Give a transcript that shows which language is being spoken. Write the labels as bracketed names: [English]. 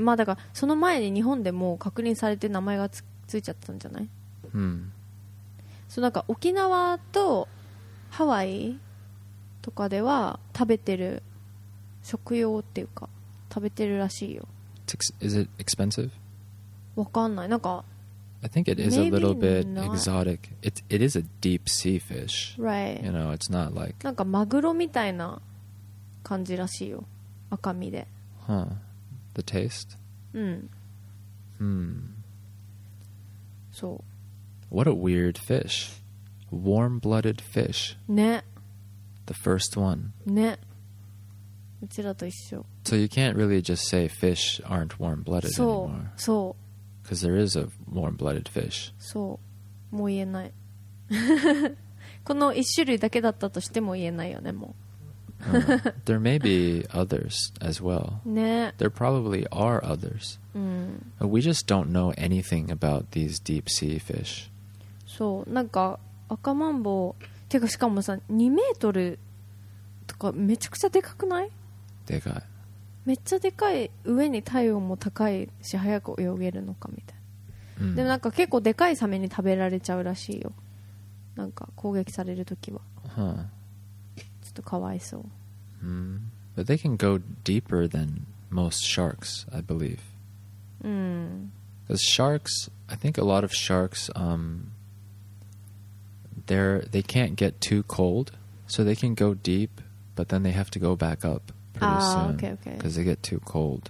[Japanese] まあだからその前に日本でも確認されて名前が ついちゃったんじゃない？そう、なんか沖縄とハワイとかでは食べてる食用っていうか食べてるらしいよ。 [English] Is it expensive? [Japanese] わかんない。なんか、 [English] I think it is a little bit exotic. It is a deep sea fish. Right. You know, it's not like... [Japanese] なんかマグロみたいな感じらしいよ。赤身で。 [English] Huh. The taste? [Japanese] うん。 Hmm. そう。 [English] What a weird fish. Warm-blooded fish. [Japanese] ね。 [English] The first one. [Japanese] ね。うちらと一緒。 [English] So you can't really just say fish aren't warm-blooded anymore. [Japanese] そう。 [English] Because there is a warm-blooded fish. [Japanese] そう。もう言えない。この一種類だけだったとしても言えないよね、もう。 [English] There may be others as well. [Japanese] ね。 [English] There probably are others. [Japanese] うん。 [English] We just don't know anything about these deep sea fish. [Japanese] そう。なんか、赤マンボウ。てか、しかもさ、2メートルとかめちゃくちゃでかくない? でかい。めっちゃでかい上に体温も高いし早く泳げるのかみたいな、うん、でもなんか結構でかいサメに食べられちゃうらしいよ。なんか攻撃されるときは、 huh. ちょっとかわいそう、 mm. [English] But they can go deeper than most sharks, I believe. Because、mm. sharks, I think a lot of sharks they can't get too cold, so they can go deep, but then they have to go back upup. Because they get too cold.